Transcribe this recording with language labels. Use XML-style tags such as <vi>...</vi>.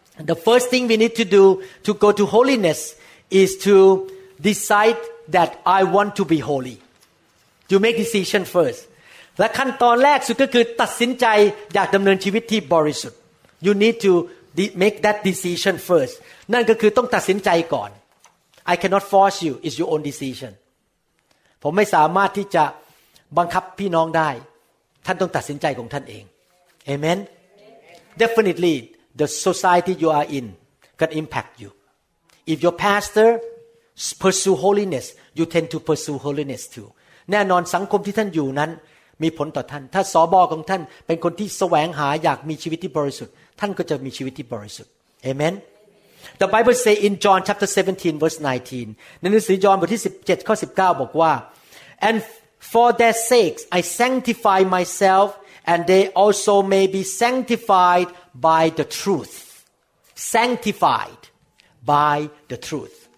<en>The first thing we need to do to go to holiness is to decide that I want to be holy You make decision first</en> <th>และขั้นตอนแรกสุดก็คือตัดสินใจอยากดำเนินชีวิตที่บริสุทธิ์</th> <en>You need toMake that decision first.</en> <th>นั่นก็คือต้องตัดสินใจก่อน</th> <en>I cannot force you. It's your own decision.</en> <th>ผมไม่สามารถที่จะบังคับพี่น้องได้ท่านต้องตัดสินใจของท่านเอง Amen.</th> <en>Definitely, the society you are in can impact you. If your pastor pursue holiness, you tend to pursue holiness too.</en> <th>แน่นอนสังคมที่ท่านอยู่นั้นมีผลต่อท่านถ้าสบอของท่านเป็นคนที่แสวงหาอยากมีชีวิตที่บริสุทธิ์ท่านก็จะมีชีวิตที่บริสุทธิ์ Amen</th> <en>The Bible say in John chapter 17 verse 19</en> <th>ในหนังสือยอห์นบทที่17ข้อ19บอกว่า</th> <en>And for their sakes I sanctify myself and they also may be sanctified by the truth</en> <th>Sanctified by the truth</th>